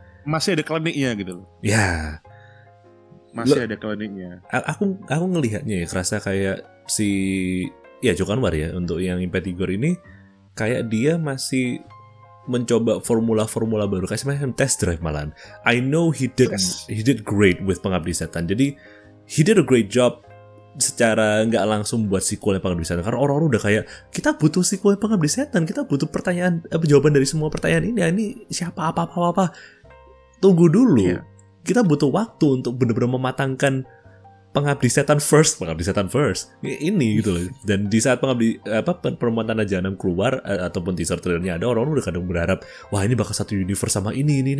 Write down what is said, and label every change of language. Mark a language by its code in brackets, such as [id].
[id] Masih ada kliniknya gitu loh. Ya. Masih ada kliniknya. Aku ngelihatnya ya kerasa kayak si Joko Anwar ya untuk yang Impeti Girl ini kayak dia masih mencoba formula-formula baru, kayak semacam test drive malahan. [en] I know he did great with Pengabdi Setan. [id] Jadi [en] he did a great job [id] secara nggak langsung buat sequelnya Pengabdi Setan. Karena orang-orang udah kayak kita butuh sequelnya Pengabdi Setan, kita butuh pertanyaan jawaban dari semua pertanyaan ini siapa apa tunggu dulu. Yeah. Kita butuh waktu untuk benar-benar mematangkan Pengabdi Setan first. Ini gitu loh. Dan di saat Perempuan Tanah Jahanam keluar ataupun teaser trailernya ada, orang udah kadang berharap, wah ini bakal satu universe sama ini.